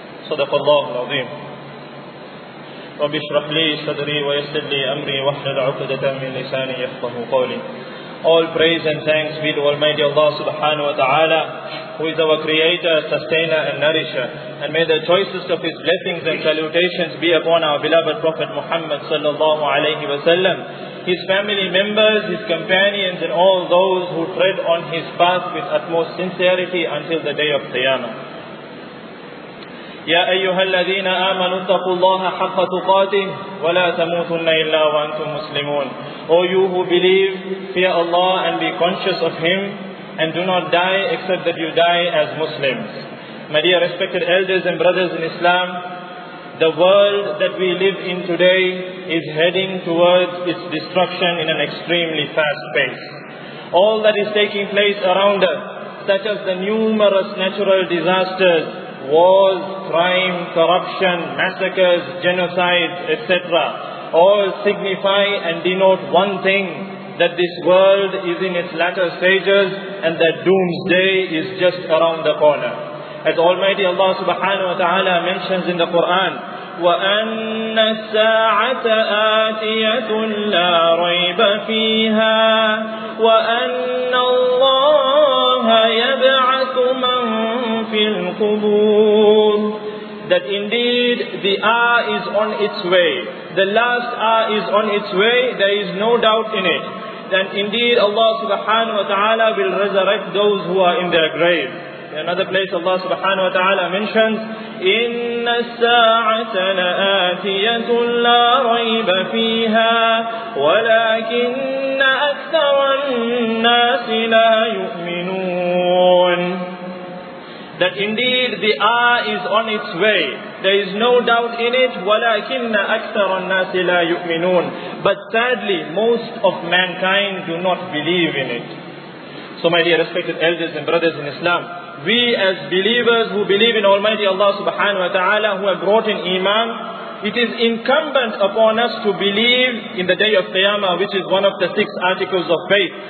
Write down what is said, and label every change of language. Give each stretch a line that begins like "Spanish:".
Arabic: صدق الله العظيم. رب اشرح لي صدري ويسر لي أمري واحلل عقدة من لساني يفقه قولي.
English: All praise and thanks be to Almighty Allah subhanahu wa ta'ala, who is our creator, sustainer and nourisher. And may the choicest of his blessings and salutations be upon our beloved Prophet Muhammad sallallahu alayhi wa sallam, his family members, his companions and all those who tread on his path with utmost sincerity until the day of Qiyamah.
Arabic: يا أيها الذين آمنوا اتقوا الله حق تقاته ولا تموتن إلا وأنتم مسلمون.
English: O you who believe, fear Allah and be conscious of Him, and do not die except that you die as Muslims. My dear respected elders and brothers in Islam, the world that we live in today is heading towards its destruction in an extremely fast pace. All that is taking place around us, such as the numerous natural disasters, wars, crime, corruption, massacres, genocides, etc., all signify and denote one thing, that this world is in its latter stages and that doomsday is just around the corner. As Almighty Allah subhanahu wa ta'ala mentions in the Quran,
Arabic: وَأَنَّ السَّاعَةَ آتِيَةٌ لَا رَيْبَ فِيهَا وَأَنَّ اللَّهَ يَبْعَثُ مَنْ فِي الْقُبُورِ.
English: That indeed the hour is on its way. The last hour is on its way, there is no doubt in it. Then indeed Allah subhanahu wa ta'ala will resurrect those who are in their grave. In another place Allah subhanahu wa ta'ala mentions,
Arabic: إِنَّ السَّاعَةَ لَآتِيَةٌ لَا رَيْبَ فِيهَا وَلَكِنَّ أَكْثَرَ النَّاسِ لَا يُؤْمِنُونَ.
English: That indeed the hour is on its way. There is no doubt in it.
Arabic: وَلَكِنَّ أَكْثَرَ النَّاسِ لَا يُؤْمِنُونَ.
English: But sadly, most of mankind do not believe in it. So my dear respected elders and brothers in Islam, we as believers who believe in Almighty Allah subhanahu wa ta'ala, who have brought in Iman, it is incumbent upon us to believe in the day of Qiyamah, which is one of the six articles of faith,